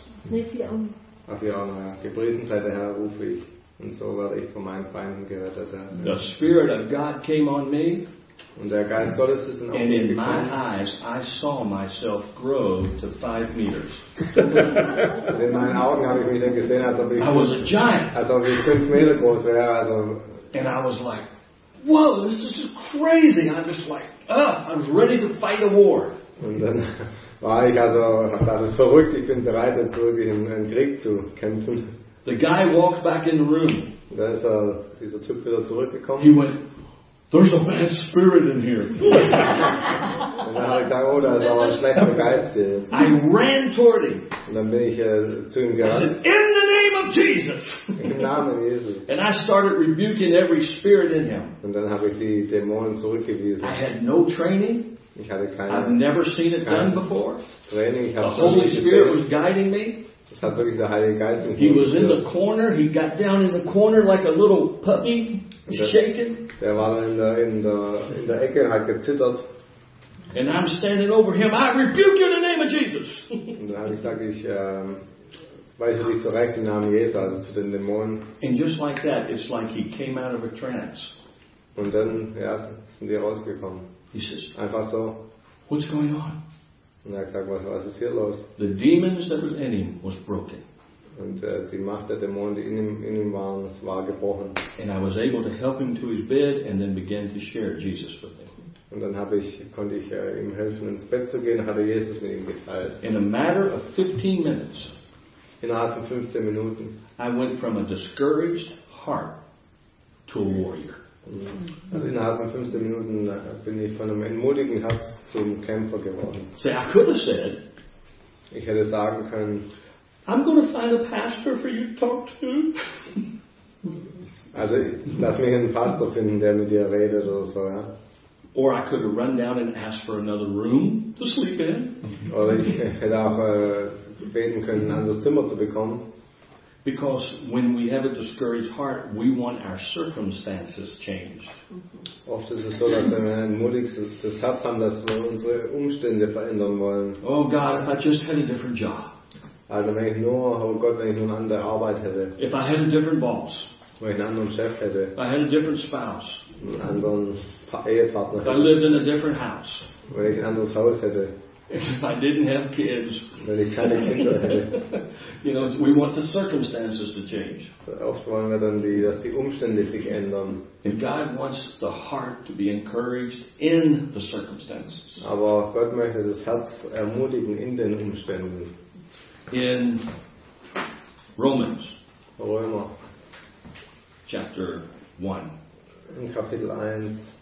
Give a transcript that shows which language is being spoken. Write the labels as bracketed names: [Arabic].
[German] 4, gepriesen sei der Herr, rufe ich, und so werde ich von meinen Feinden gerettet. [English] The Spirit of God came on me. [German] Und der Geist Gottes ist in [English] and in my eyes, I saw myself grow to 5 meters. [German] In meinen Augen habe ich mich dann gesehen, als ob ich, [English] I was a giant. [German] Als ob ich 5 Meter groß wäre. Also, [English] and I was like, whoa, this is just crazy. I'm just like, I'm ready to fight a war. [German] Und dann war ich also, das ist verrückt, ich bin bereit, jetzt wirklich einen Krieg zu kämpfen. [English] The guy walked back in the room. [German] Da ist dieser Typ wieder zurückgekommen. [English] He went, there's a bad spirit in here. [German] Und dann habe ich gesagt, oh, da ist auch ein schlechter Geist hier. [English] I ran toward him. [German] Und dann bin ich zu ihm gerannt. [English] In the name of Jesus. [German] Im Namen Jesu. [English] And I started rebuking every spirit in him. [German] Und dann habe ich die Dämonen zurückgewiesen. [English] I had no training. [German] Ich hatte keine, [English] I've never seen it done before. [German] Training. [English] The Holy Spirit was guiding me. [German] Das hat wirklich der Heilige Geist mit mir. [English] He was in the corner. He got down in the corner like a little puppy. [German] Der war in der Ecke und hat gezittert. [English] And I'm standing over him. I rebuke you in the name of Jesus. [German] Und dann sage ich, weise dich zurecht im Namen Jesu, also zu den Dämonen. [English] And just like that, it's like he came out of a trance. [German] Und dann, ja, sind die rausgekommen. [English] He says, [German] einfach so. [English] What's going on? [German] Und er sagt, was ist hier los? [English] The demons that were in him was broken. [German] Und die Macht der Dämonen, die in ihm waren, es war gebrochen. [English] And I was able to help him to his bed and then began to share Jesus with him. [German] Und dann konnte ich ihm helfen, ins Bett zu gehen, hatte Jesus mit ihm geteilt. [English] In a matter of 15 minutes, [German] innerhalb von 15 Minuten, [English] I went from a discouraged heart to a warrior. [German] Also innerhalb von 15 Minuten bin ich von einem entmutigen Herz zum Kämpfer geworden. [English] So I could have said, [German] ich hätte sagen können, [English] I'm going to find a pastor for you to talk to. [German] Also, lass mich einen Pastor finden, der mit dir redet oder so, ja. [English] Or I could run down and ask for another room to sleep in. [German] Oder ich hätte auch beten können, ein anderes Zimmer zu bekommen. [English] Because when we have a discouraged heart, we want our circumstances changed. [German] Oft ist es so, dass wir ein mutiges Herz haben, dass wir unsere Umstände verändern wollen. [English] Oh God, if I just had a different job. [German] Also wenn ich nur, oh Gott, wenn ich nur eine andere Arbeit hätte. [English] If I had a different boss. [German] Wenn ich einen anderen Chef hätte. [English] If I had a different spouse. [German] Einen anderen Ehepartner hätte. [English] If I lived in a different house. [German] Wenn ich ein anderes Haus hätte. [English] If I didn't have kids, [German] wenn ich keine Kinder hätte. [English] You know, we want the circumstances to change. [German] Oft wollen wir dann, dass die Umstände sich ändern. [English] And God wants the heart to be encouraged in the circumstances. [German] Aber Gott möchte das Herz ermutigen in den Umständen. [English] In Romans, [German] Römer, [English] chapter 1. [German] In Kapitel 1.